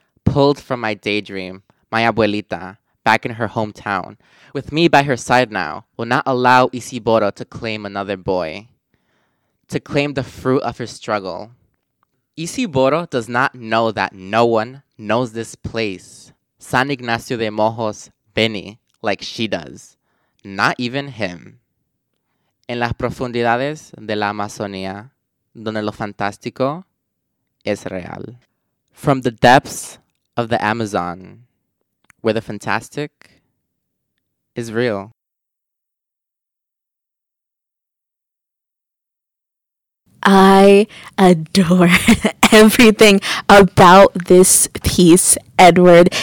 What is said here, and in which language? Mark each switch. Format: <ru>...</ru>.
<en>Pulled from my daydream, my abuelita, back in her hometown, with me by her side now, will not allow Isidoro to claim another boy, to claim the fruit of her struggle. Isidoro does not know that no one knows this place, San Ignacio de Mojos, Beni, like she does. Not even him.</en> <es>En las profundidades de la Amazonía, donde lo fantástico es real.</es> <en>From the depths of the Amazon, where the fantastic is real. I adore everything about this piece, Edward.</en>